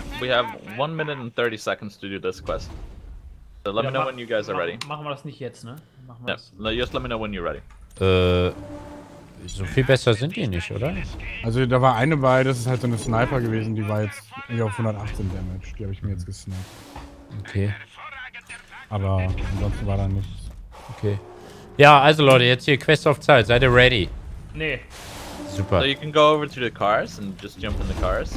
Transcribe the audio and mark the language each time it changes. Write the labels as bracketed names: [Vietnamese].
[English] We have 1 minute and 30 seconds to do this quest. So let me know when you guys are ready. [German] Machen wir das nicht jetzt, ne? [English] Ja, just let me know when you're ready. [German] So viel besser sind die nicht, oder? Also da war eine bei, das ist halt so eine Sniper gewesen, die war jetzt irgendwie auf 118 Damage. Die habe ich mir jetzt gesniped. Okay. Aber ansonsten war da nichts. Okay. Ja, also Leute, jetzt hier Quest of Zeit, seid ihr ready? Nee. Super. [English] So you can go over to the cars and just jump in the cars.